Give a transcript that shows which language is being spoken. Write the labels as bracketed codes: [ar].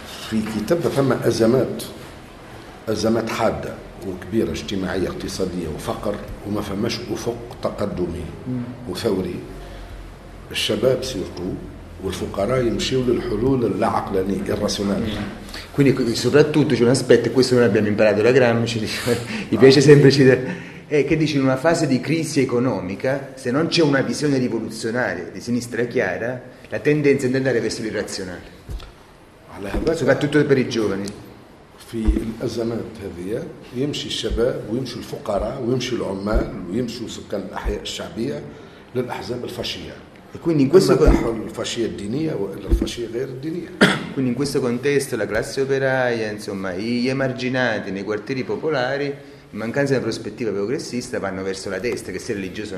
[ar] في كتابه فما أزمات حادة وكبيرة اجتماعية اقتصادية وفقر وما فماش أفق تقدمي وثوري. الشباب سيرتو والفقراء يمشيوا للحلول العقلانية الراسيونال. [it] Quindi soprattutto c'è un aspetto, questo non abbiamo imparato da Gramsci, gli piace sempre citare. Che dice, in una fase di crisi economica, se non c'è una visione rivoluzionaria di sinistra chiara, la tendenza è di andare verso l'irrazionale, soprattutto per i giovani. [ar] في الأزمات هذه يمشي الشباب ويمشي الفقراء ويمشي العمال ويمشي سكان الأحياء الشعبية للأحزاب الفاشية. [it] Quindi in questo quindi in questo contesto la classe operaia, insomma, gli emarginati nei quartieri popolari, in mancanza di prospettiva progressista, vanno verso la destra, che sia religioso o